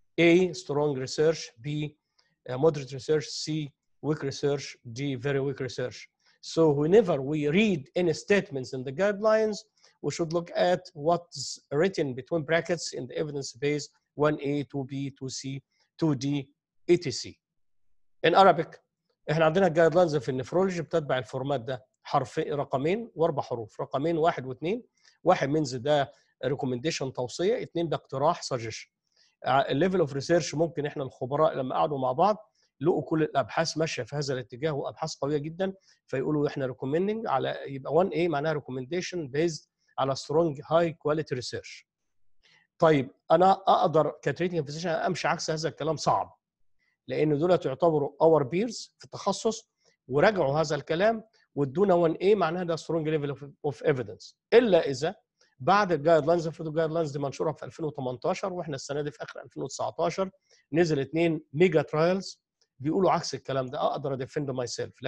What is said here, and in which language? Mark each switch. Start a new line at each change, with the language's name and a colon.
English: A, strong research. B, moderate research. C, weak research. D, very weak research. So whenever we read any statements in the guidelines, we should look at what's written between brackets in the evidence base, 1A, 2B, 2C, 2D, etc.
Arabic: In Arabic, احنا عندنا guidelines في النفرولوجي بتتبع الفورمات ده. حرفين رقمين واربع حروف. رقمين 1 و2.
English: 1 means ده recommendation توصية.
Arabic: 2 ده اقتراح suggestion. Level of research ممكن احنا الخبراء لما قعدوا مع بعض لقوا كل الابحاث ماشيه في هذا الاتجاه وابحاث قويه جدا فيقولوا احنا ريكومندنج على يبقى 1A معناها ريكومنديشن بيزد على سترونج هاي كواليتي ريسيرش. طيب انا اقدر كتريتنج فيزيشن امشي عكس هذا الكلام صعب لان دول يعتبروا اور بيرز في التخصص وراجعوا هذا الكلام وادونا 1A معناها ده سترونج ليفل اوف ايفيدنس الا اذا بعد الجايد لاينز في الجايد لاينز دي منشوره في 2018 واحنا السنه دي في اخر 2019 نزل 2 ميجا ترايلز بيقولوا عكس الكلام ده اقدر ادفند ماي سيلف.